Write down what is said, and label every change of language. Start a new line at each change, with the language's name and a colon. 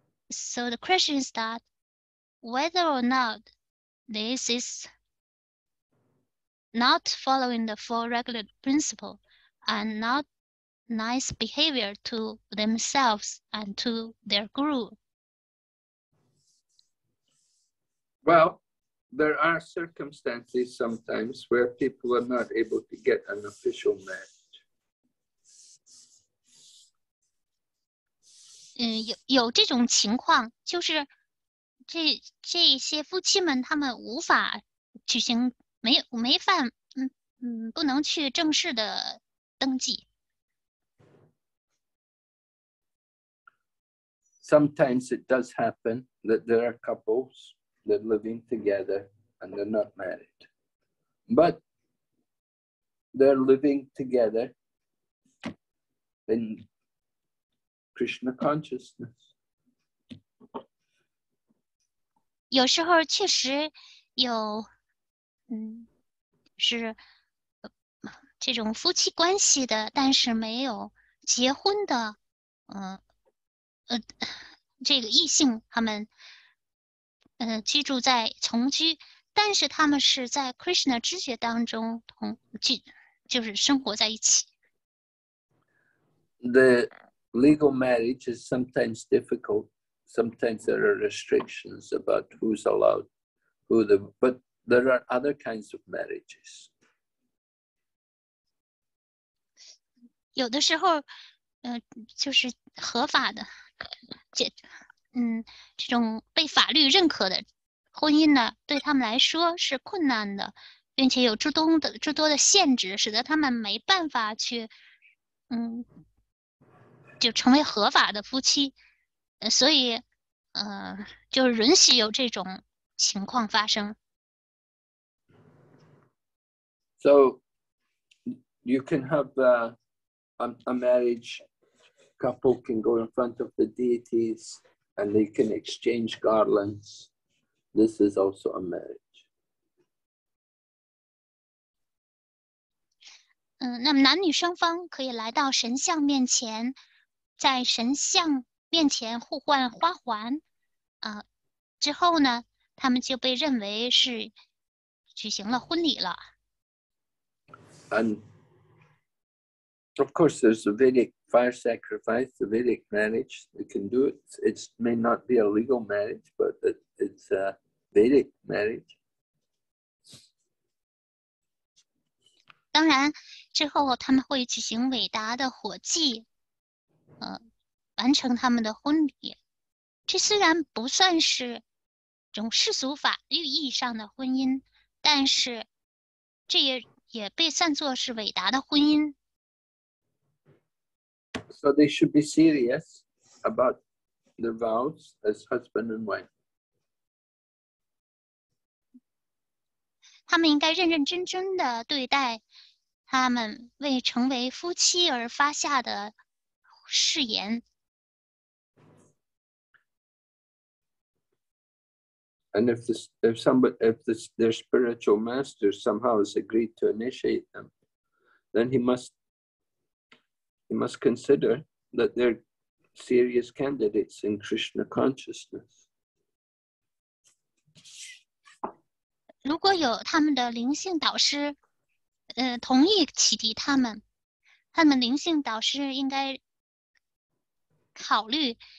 English: So the question is that whether or not this is not following the four regular principle and not nice behavior to themselves and to their guru. Well, there are circumstances sometimes where people are not able to get an official marriage.
Chinese: 有这种情况，就是这些夫妻们他们无法举行不能去正式的登记。
English: Sometimes it does happen that there are couples that are living together and they're not married, but they're living together inKrishna consciousness.
Chinese: 有时候确实有是这种夫妻关系的，但是没有结婚的这个异性，他们居住在同居，但是他们是在 Krishna 知觉当中就是生活在一起。
English: Legal marriage is sometimes difficult. Sometimes there are restrictions about who's allowed, but there are other kinds of marriages.
Chinese: 有的时候，就是合法的，这种被法律认可的婚姻呢，对他们来说是困难的，并且有诸多的限制，使得他们没办法去，就成为合法的夫妻，所以，就允许有这种情况发生。
English: So, you can have a marriage couple can go in front of the deities and they can exchange garlands. This is also a marriage.
Chinese: 那么男女双方可以来到神像面前。在神像面前互换花环，之后呢，他们就被认为是举行了婚礼了。
English: And of course, there's a Vedic fire sacrifice, the Vedic marriage. They can do it. It may not be a legal marriage, but it's a Vedic marriage.
Chinese: 当然，之后他们会举行伟大的火祭。完成他们的婚礼。这虽然不算是种世俗法律意义上的婚姻，但是这也被算作是伟大的婚姻。
English: So they should be serious about their vows as husband and wife.
Chinese: 他们应该认认真真地对待他们为成为夫妻而发下的誓言。
English: And if their spiritual master somehow has agreed to initiate them, then he must consider that they're serious candidates in Krishna consciousness.
Chinese: 如果有他们的灵性导师，同意启迪他们灵性导师应该考虑。